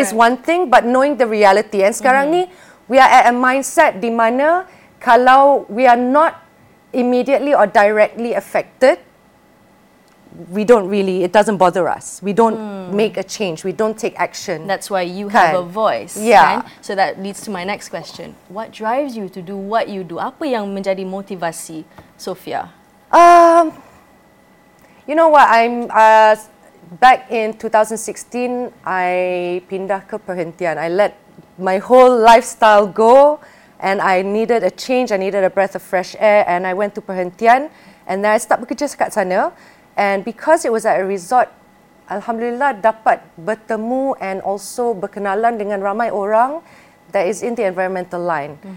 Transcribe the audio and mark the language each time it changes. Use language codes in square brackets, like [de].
[en] is one thing, but knowing the reality. And [ms] sekarang ni, [en] we are at a mindset [ms] di mana kalau [en] we are not immediately or directly affected, we don't really, it doesn't bother us. We don't make a change. We don't take action. That's why you have a voice. Yeah. Kan? So that leads to my next question. What drives you to do what you do? [ms] Apa yang menjadi motivasi, Sofia? [en] You know what, I'm back in 2016, I [ms] pindah ke perhentian. [en] I let my whole lifestyle go and I needed a change. I needed a breath of fresh air and I went to perhentian. And then I start [ms] bekerja kat sana. [en] And because it was at a resort, alhamdulillah [ms] dapat bertemu [en] and also [ms] berkenalan dengan ramai orang [en] that is in the environmental line.